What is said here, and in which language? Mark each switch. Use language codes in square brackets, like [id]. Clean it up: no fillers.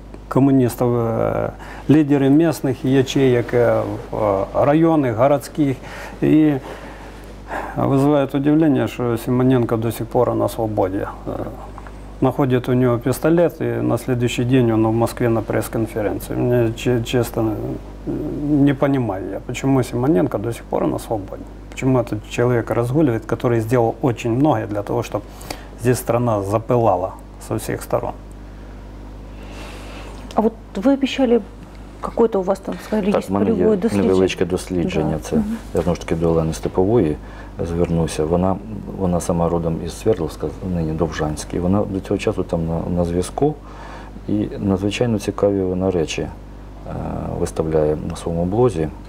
[uk] комуністів, лідерів місцевих ячеек, районних, городських. І викликає удивлення, що Симоненко до сих пор на свободі. [ru] Находит у него пистолет, и на следующий день он в Москве на пресс-конференции. Мне, честно, не понимаю я, почему Симоненко до сих пор на свободе. Почему этот человек разгуливает, который сделал очень многое для того, чтобы здесь страна запылала со всех сторон. А вот вы обещали какое-то у вас там, сказали, так, есть полевое дослідження. [uk] Так, невеличке дослідження. Да. Це, угу. Я, знову ж таки, до Олени Степової звернуся. Вона сама родом із Свердловська, нині Довжанський. Вона до цього часу там на зв'язку. І надзвичайно цікаві вона речі виставляє на своєму блозі.